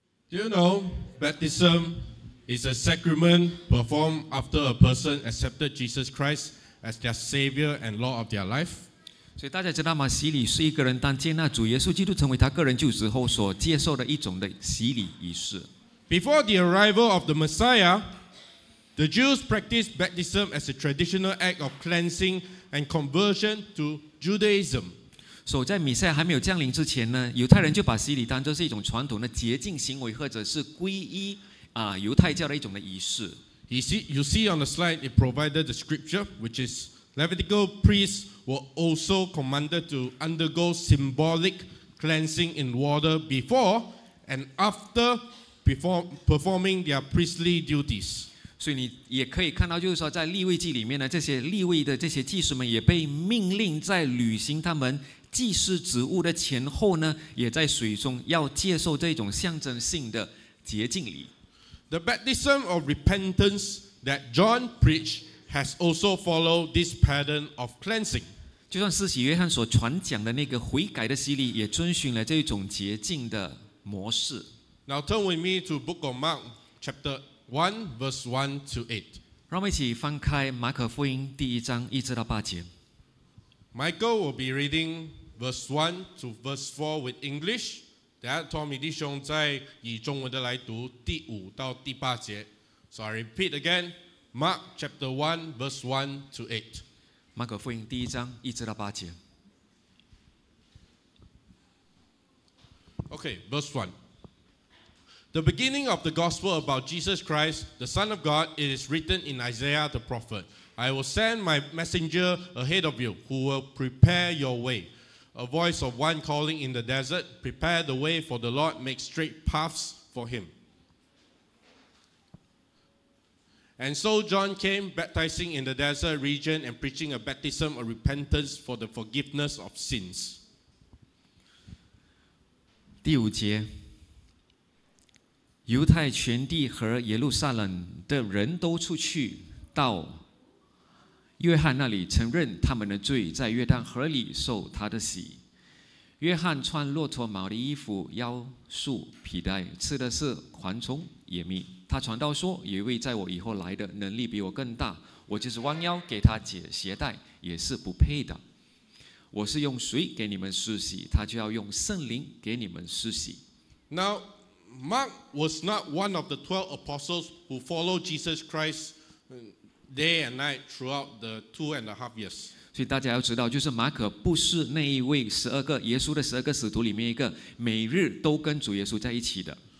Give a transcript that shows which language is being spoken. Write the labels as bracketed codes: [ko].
[en] Do you know baptism is a sacrament performed after a person accepted Jesus Christ as their Savior and Lord of their life? [zh] 所以大家知道吗？洗礼是一个人当接纳主耶稣基督成为他个人救主后所接受的一种的洗礼仪式。 [en] Before the arrival of the Messiah, the Jews practiced baptism as a traditional act of cleansing and conversion to Judaism. [zh] 所以在弥赛亚还没有降临之前呢，犹太人就把洗礼当作是一种传统的洁净行为，或者是皈依啊犹太教的一种的仪式。 [en] You see on the slide, it provided the scripture, which is Levitical priests were also commanded to undergo symbolic cleansing in water before and after performing their priestly duties. [zh] 所以你也可以看到，就是说，在立位记里面呢，这些立位的这些祭司们也被命令在履行他们祭司职务的前后呢，也在水中要接受这种象征性的洁净礼。 [en] The baptism of repentance that John preached has also followed this pattern of cleansing. [zh] 就像施洗约翰所传讲的那个悔改的洗礼，也遵循了这种洁净的模式。 [en] Now turn with me to Book of Mark, chapter 1, verse 1 to 8. [zh] 让我们一起翻开马可福音第一章一至到八节。 [en] Michael will be reading verse 1 to verse 4 with English. [zh] 等下 Tommy 弟兄再以中文的来读第五到第八节。 [en] So I repeat again, Mark chapter 1, verse 1 to 8. [zh] 马可福音第一章一至到八节。 [en] Okay, verse 1. The beginning of the gospel about Jesus Christ, the Son of God, it is written in Isaiah the prophet. I will send my messenger ahead of you, who will prepare your way. A voice of one calling in the desert, prepare the way for the Lord, make straight paths for him. And so John came, baptizing in the desert region and preaching a baptism of repentance for the forgiveness of sins. [zh] 第五节犹太全地和耶路撒冷的人都出去到约翰那里承认他们的罪，在约旦河里受他的洗。约翰穿骆驼毛的衣服，腰束皮带，吃的是蝗虫野蜜。他传道说，有一位在我以后来的能力比我更大，我就是弯腰给他解鞋带也是不配的。我是用水给你们施洗，他就要用圣灵给你们施洗。 [en] NowMark was not one of the 12 apostles who followed Jesus Christ day and night throughout the 2.5 years. [zh] 所以大家要知道，就是马可不是那一位十二个耶稣的十二个使徒里面一个每日都跟主耶稣在一起的。